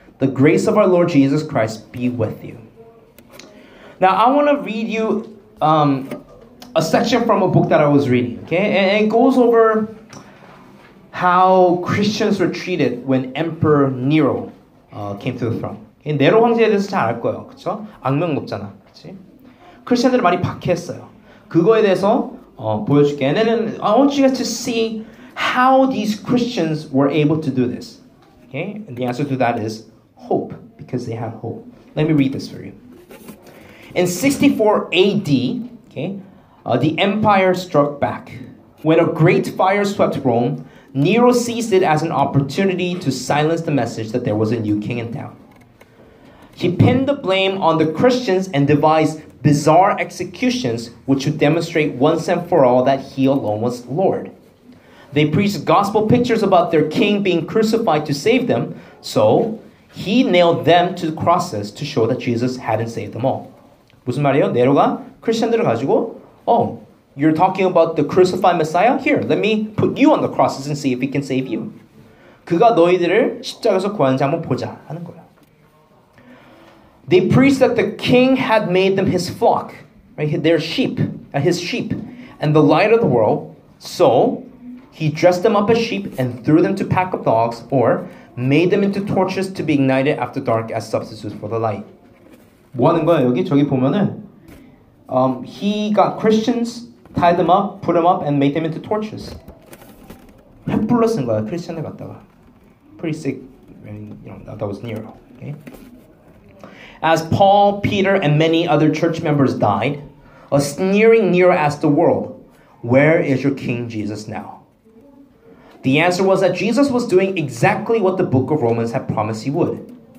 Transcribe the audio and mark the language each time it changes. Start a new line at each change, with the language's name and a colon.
English: The grace of our Lord Jesus Christ be with you." Now, I want to read you a section from a book that I was reading, okay? And it goes over how Christians were treated when Emperor Nero came to the throne.
Korean: 이 네로 황제에 대해서 잘 알 거예요, 그렇죠? 악명 높잖아, 그렇지? 크리스천들을 많이 박해했어요. 그거에 대해서 보여줄게.
English: And then I want you guys to see how these Christians were able to do this. Okay? And the answer to that is hope, because they have hope. Let me read this for you. In 64 AD, okay, the empire struck back. When a great fire swept Rome, Nero seized it as an opportunity to silence the message that there was a new king in town. He pinned the blame on the Christians and devised bizarre executions which would demonstrate once and for all that he alone was Lord. They preached gospel pictures about their king being crucified to save them, so he nailed them to the crosses to show that Jesus hadn't saved them all.
Korean: 무슨 말이에요? 네로가 크리스천들을 가지고
English: Oh, you're talking about the crucified Messiah? Here, let me put you on the crosses and see if he can save you.
Korean: 그가 너희들을 십자가에서 구하는지 한번 보자 하는 거야.
English: They preached that the king had made them his flock, right? Their sheep, his sheep, and the light of the world. So he dressed them up as sheep and threw them to pack up dogs, or made them into torches to be ignited after dark as substitutes for the light.
Korean: 뭐 하는 거야 여기? 저기 보면은
English: He got Christians, tied them up, put them up, and made them into torches.
Korean: 횃불로 쓴 거야, 크리스천을 갖다가.
English: Pretty sick. You know, that was Nero. Okay. As Paul, Peter, and many other church members died, a sneering Nero asked the world, "Where is your King Jesus now?" The answer was that Jesus was doing exactly what the book of Romans had promised he would.